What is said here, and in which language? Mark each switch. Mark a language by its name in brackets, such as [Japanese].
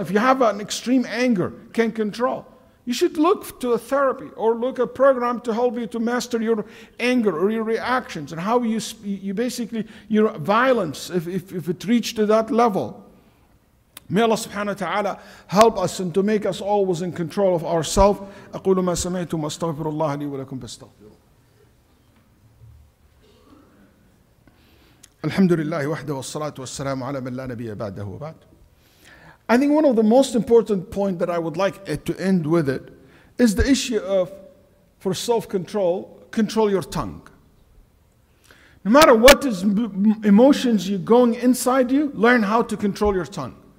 [English] If you have an extreme anger, can't control, you should look to a therapy or look a program to help you to master your anger or your reactions and how you basically your violence if it reached to that level. May Allah subhanahu wa ta'ala help us and to make us always in control of ourselves. [Arabic] أقول ما سمعت واستغفر الله لي ولكم بستغفر. الحمد لله وحده والصلاة والسلام على من لا نبي بعده وبعد. [English] I think one of the most important point that I would like to end with it is the issue of, for self-control, control your tongue. No matter what is emotions you're going inside you, learn how to control your tongue.